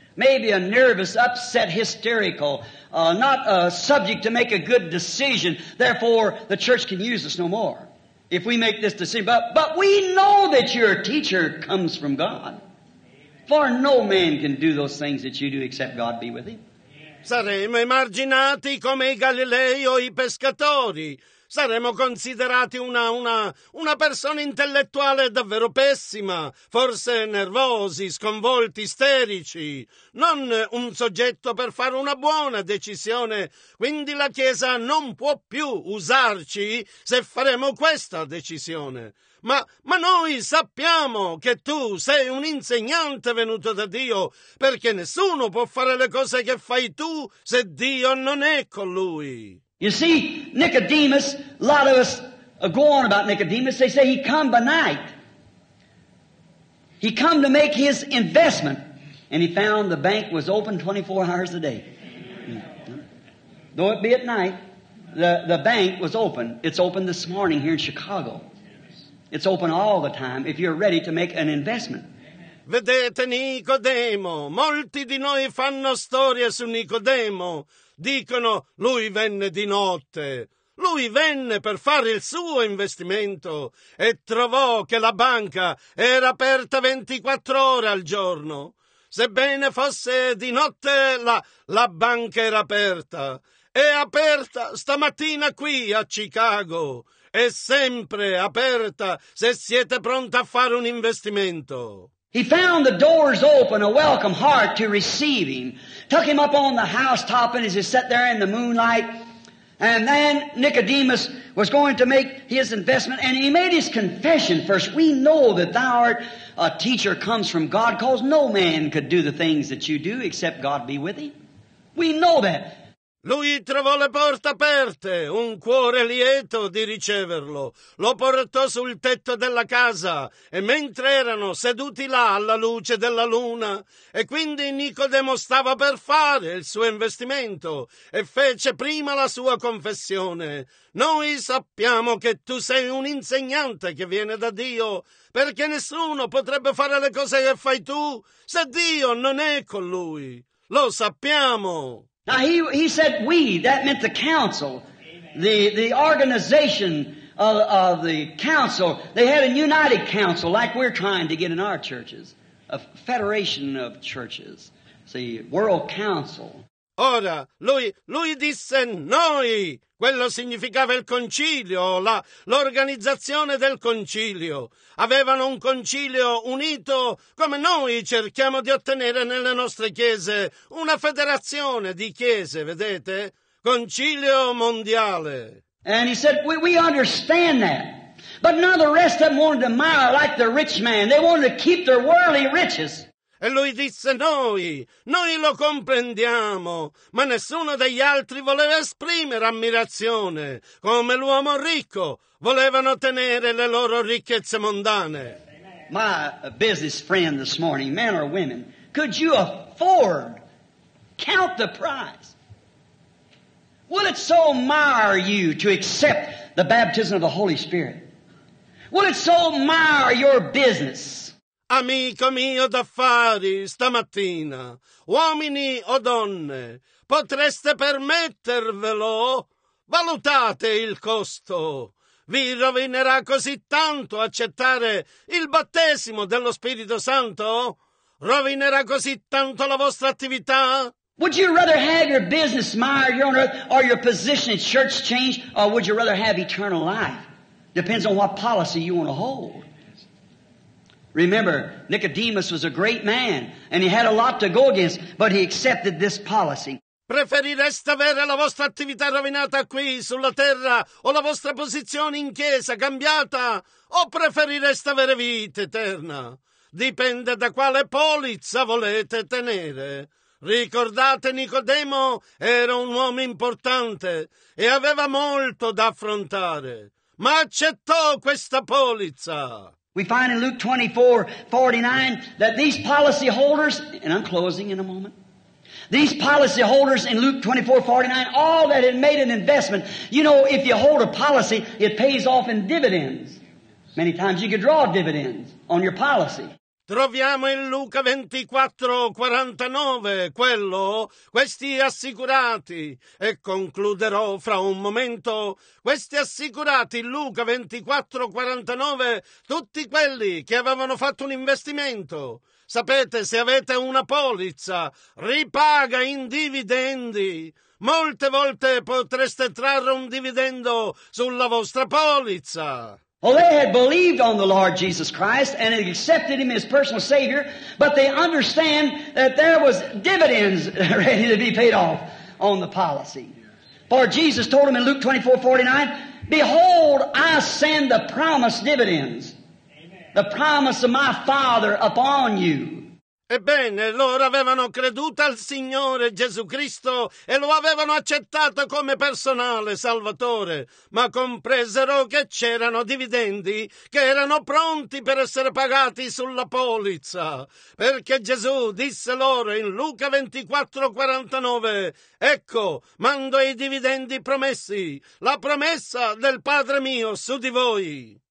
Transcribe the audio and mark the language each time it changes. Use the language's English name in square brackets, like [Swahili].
[English] Maybe a nervous, upset, hysterical, not a subject to make a good decision. Therefore, the church can use us no more if we make this decision. But we know that your teacher comes from God. For no man can do those things that you do except God be with him. [Italian] Saremo emarginati come i Galilei o i pescatori. saremo considerati una persona intellettuale davvero pessima, forse nervosi, sconvolti, isterici, non un soggetto per fare una buona decisione. Quindi la Chiesa non può più usarci se faremo questa decisione. Ma noi sappiamo che tu sei un insegnante venuto da Dio, perché nessuno può fare le cose che fai tu se Dio non è con lui. [English] You see, Nicodemus, a lot of us go on about Nicodemus, they say he come by night. He come to make his investment, and he found the bank was open 24 hours a day. Though it be at night, the bank was open. It's open this morning here in Chicago. It's open all the time if you're ready to make an investment. [Italian] Vedete Nicodemo, molti di noi fanno storie su Nicodemo. Dicono, lui venne di notte. Lui venne per fare il suo investimento e trovò che la banca era aperta 24 ore al giorno. Sebbene fosse di notte, la banca era aperta. È aperta stamattina qui a Chicago. È sempre aperta se siete pronti a fare un investimento. [English] He found the doors open, a welcome heart to receive him. Took him up on the housetop and as he sat there in the moonlight. And then Nicodemus was going to make his investment and he made his confession first. We know that thou art a teacher comes from God because no man could do the things that you do except God be with him. We know that. [Italian] Lui trovò le porte aperte, un cuore lieto di riceverlo. Lo portò sul tetto della casa e mentre erano seduti là alla luce della luna, e quindi Nicodemo stava per fare il suo investimento e fece prima la sua confessione. Noi sappiamo che tu sei un insegnante che viene da Dio, perché nessuno potrebbe fare le cose che fai tu se Dio non è con lui. Lo sappiamo. [English] Now he said we, that meant the council, the organization of the council. They had a united council like we're trying to get in our churches, a federation of churches, see, world council. [Italian] Ora, lui disse noi, quello significava il concilio, l'organizzazione del concilio. Avevano un concilio unito come noi cerchiamo di ottenere nelle nostre chiese, una federazione di chiese, vedete? Concilio mondiale. [English] And he said, we understand that. But now the rest of them wanted to mire like the rich man. They wanted to keep their worldly riches. [Italian] E lui disse, noi lo comprendiamo, ma nessuno degli altri voleva esprimere ammirazione, come l'uomo ricco, volevano tenere le loro ricchezze mondane. [English] My business friend this morning, men or women, could you afford, count the price? Will it so mire you to accept the baptism of the Holy Spirit? Will it so mire your business? [Italian] Amico mio d'affari, stamattina, uomini o donne, potreste permettervelo? Valutate il costo. Vi rovinerà così tanto accettare il battesimo dello Spirito Santo? Rovinerà così tanto la vostra attività? [English] Would you rather have your business mired here on earth or your position in church change, or would you rather have eternal life? Depends on what policy you want to hold. Remember, Nicodemus was a great man, and he had a lot to go against, but he accepted this policy. [Italian] Preferireste avere la vostra attività rovinata qui, sulla terra, o la vostra posizione in chiesa cambiata, o preferireste avere vita eterna? Dipende da quale polizza volete tenere. Ricordate, Nicodemo era un uomo importante e aveva molto da affrontare, ma accettò questa polizza. [English] We find in Luke 24:49 that these policy holders, and I'm closing in a moment, these policy holders in Luke 24:49, all that had made an investment. You know, if you hold a policy, it pays off in dividends. Many times you could draw dividends on your policy. [Italian] Troviamo in Luca 24:49 questi assicurati, e concluderò fra un momento, questi assicurati, Luca 24:49, tutti quelli che avevano fatto un investimento. Sapete, se avete una polizza, ripaga in dividendi. molte volte potreste trarre un dividendo sulla vostra polizza. [English] Well, they had believed on the Lord Jesus Christ and had accepted Him as personal Savior, but they understand that there was dividends ready to be paid off on the policy. For Jesus told them in Luke 24:49, "Behold, I send the promised dividends, the promise of my Father upon you." [Italian] Ebbene, loro avevano creduto al Signore Gesù Cristo e lo avevano accettato come personale Salvatore, ma compresero che c'erano dividendi che erano pronti per essere pagati sulla polizza. Perché Gesù disse loro in Luca 24:49, "Ecco, mando i dividendi promessi, la promessa del Padre mio su di voi."